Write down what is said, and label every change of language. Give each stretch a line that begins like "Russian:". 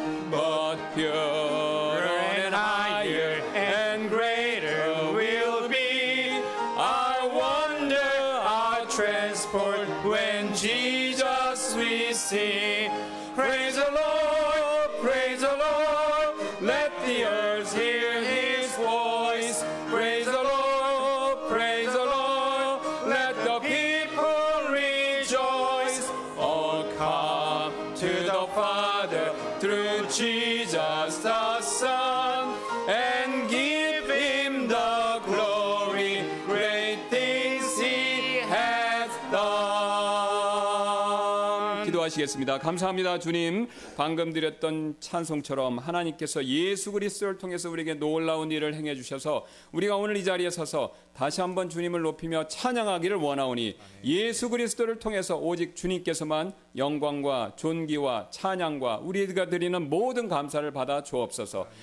English: But purer and higher and greater will be our wonder, our transport when Jesus we see. Praise the Lord, praise the Lord, let the earth hear His voice. Praise the Lord, praise the Lord, let the people rejoice. All come to the Father through Jesus the Son and give Him the glory. Great things He has done.
Korean: 기도하시겠습니다. 감사합니다. 주님, 방금 드렸던 찬송처럼 하나님께서 예수 그리스도를 통해서 우리에게 놀라운 일을 행해 주셔서 우리가 오늘 이 자리에 서서 다시 한번 주님을 높이며 찬양하기를 원하오니 예수 그리스도를 통해서 오직 주님께서만 영광과 존귀와 찬양과 우리가 드리는 모든 감사를 받아 주옵소서.